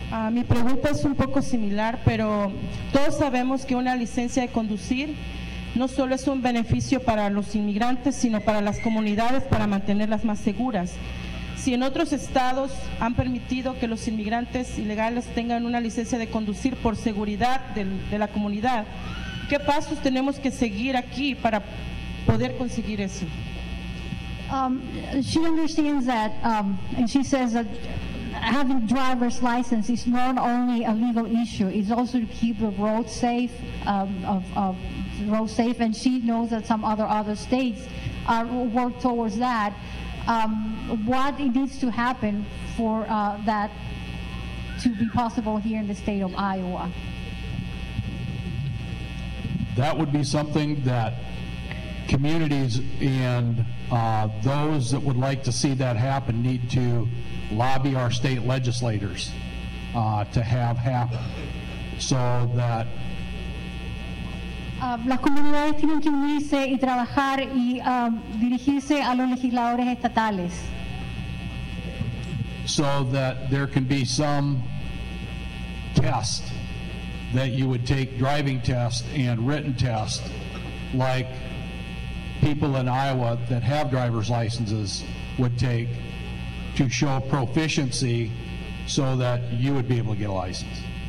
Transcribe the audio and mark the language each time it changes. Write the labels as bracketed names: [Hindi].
[Spanish] Mi pregunta es un poco similar, pero todos sabemos que una licencia de conducir no solo es un beneficio para los inmigrantes, sino para las comunidades, para mantenerlas más seguras. Si en otros estados han permitido que los inmigrantes ilegales tengan una licencia de conducir por seguridad de la comunidad, ¿qué pasos tenemos que seguir aquí para poder conseguir eso? [English] She understands that, and she says that having driver's license is not only a legal issue, it's also to keep the road safe, and she knows that some other states work towards that. What needs to happen for that to be possible here in the state of Iowa? That would be something that communities and those that would like to see that happen need to lobby our state legislators to have happen, so that [Spanish] las comunidades tienen que unirse y trabajar y dirigirse a los legisladores estatales. [English] So that there can be some test that you would take, driving test and written test, like people in Iowa that have driver's licenses would take, to show proficiency so that you would be able to get a license.